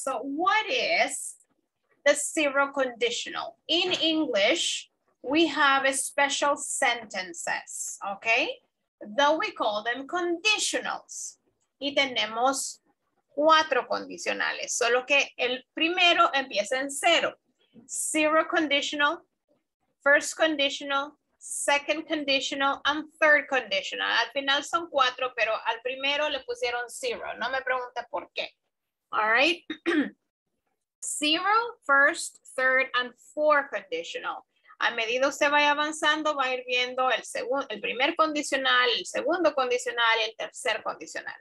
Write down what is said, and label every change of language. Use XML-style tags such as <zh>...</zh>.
<en>So what is the zero conditional? In English, we have a special sentences, okay? Though we call them conditionals.</en> <es>Y tenemos cuatro condicionales, solo que el primero empieza en cero.</es> <en>Zero conditional, first conditional, second conditional, and third conditional.</en> <es>Al final son cuatro, pero al primero le pusieron zero. No me pregunte por qué.</es> <en>All right. Zero, first, third, and fourth conditional.</en> <es>A medida usted vaya avanzando, va a ir viendo el primer condicional, el segundo condicional y el tercer condicional.</es>